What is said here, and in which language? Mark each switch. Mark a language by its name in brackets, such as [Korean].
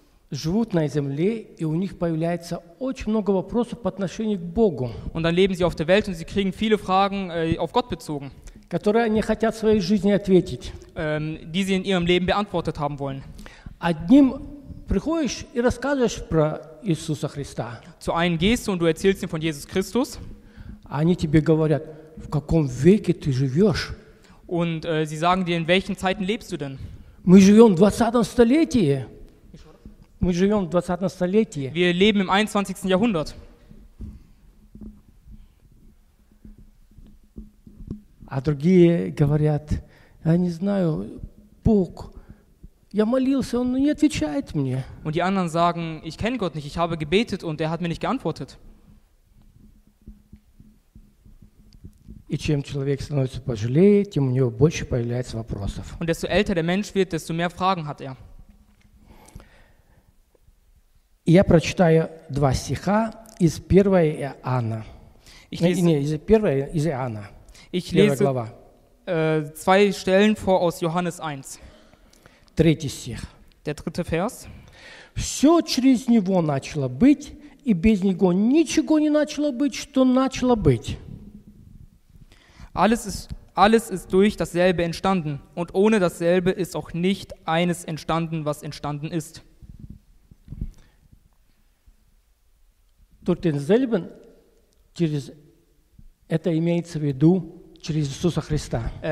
[Russian] живут на земле, и у них появляется очень много вопросов по отношению к Богу. [German] Und dann leben sie auf der Welt und sie kriegen viele Fragen auf Gott bezogen. [Russian] Которые они хотят в своей жизни ответить. [German] Die sie in ihrem Leben beantwortet haben wollen. [Russian] Одним приходишь и рассказываешь про Иисуса Христа. [German] Zu einem gehst du und du erzählst ihm von Jesus Christus. [Russian] Они тебе говорят, в каком веке ты живешь. [German] Und sie sagen dir, in welchen Zeiten lebst du denn? [Russian] Мы живем в 20-м столетии. Мы живем в 20-м столетии. [German] Wir leben im 21. Jahrhundert. [Russian] А другие говорят, я не знаю, Бог, я молился, он не отвечает мне. [German] Und die anderen sagen, ich kenne Gott nicht, ich habe gebetet und er hat mir nicht geantwortet. [Russian] И чем человек становится пожилее, тем у него больше появляется вопросов. [German] Und desto älter der Mensch wird, desto mehr Fragen hat er. [Russian] Я прочитаю два стиха из 1 Иоанна. Из Иоанна. [German] Ich lese zwei Stellen vor aus Johannes 1. [Russian] Третий стих. [German] Der dritte Vers. [Russian] Все через него начало быть, и без него ничего не начало быть, что начало быть. [German] Alles ist durch dasselbe entstanden, und ohne dasselbe ist auch nicht eines entstanden, was entstanden ist. Durch denselben, [Russian] через это имеется в виду, через Иисуса Христа.